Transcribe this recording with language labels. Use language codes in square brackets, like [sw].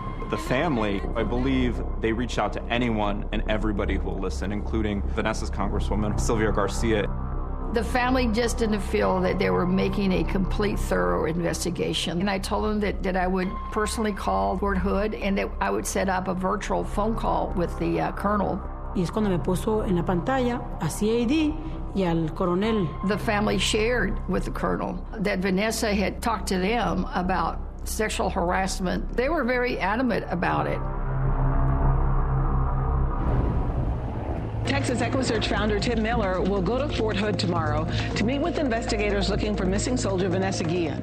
[en] The family, I believe they reach out to anyone and everybody who will listen, including Vanessa's congresswoman, Sylvia Garcia. The family just didn't feel that they were making a complete, thorough investigation. And I told them that I would personally call Fort Hood and that I would set up a virtual phone call with the colonel. [es] Y es cuando me puso en la pantalla a CID y al coronel. [en] The family shared with the colonel that Vanessa had talked to them about sexual harassment. They were very adamant about it. Texas EquiSearch founder Tim Miller will go to Fort Hood tomorrow to meet with investigators looking for missing soldier Vanessa Guillen.